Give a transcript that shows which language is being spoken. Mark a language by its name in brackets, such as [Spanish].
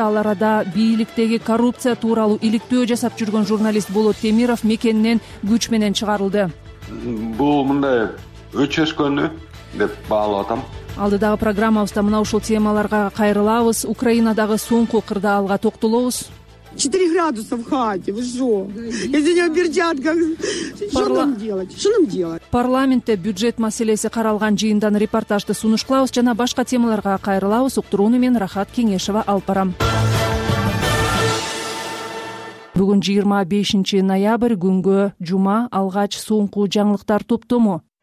[Kyrgyz] Ал арада бийликтеги коррупция тууралуу иликтөө жасап жүргөн журналист Болот Темиров мекенинен күч менен чыгарылды. Бул мындай өчөшкөнү деп баалап атам. Алдыдагы программабызда мына ушул темаларга кайрылабыз. Украинадагы соңку кырдаалга токтолобуз. [Russian] 4 градуса в хате, вы что? Если не в перчатках, что нам делать? [Kyrgyz] Парламентте бюджет маселеси каралган жыйындан репортажды сунушкалабыз жана башка темаларга кайрылабыз. Уктурууну мен Рахат Кеңешова алып барам. Бүгүн 25-ноябрь, күнгө жума, алгач соңку жаңылыктар топтому.